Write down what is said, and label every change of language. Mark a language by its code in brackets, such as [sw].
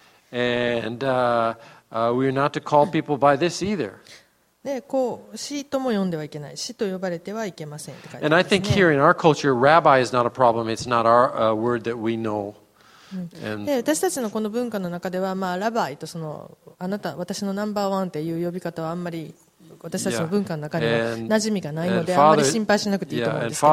[en] And we're not to call people by this either. [ja] でこう死とも呼んではいけない死と呼ばれてはいけませんって書いてますね。 [en] And I think here in our culture, rabbi is not a problem. It's not our word that we know. [ja] で私たちのこの文化の中では、まあ、ラバイとそのあなた私のナンバーワンっていう呼び方はあんまり私たちの文化の中では馴染みがないのであんまり心配しなくていいと思うんですけど。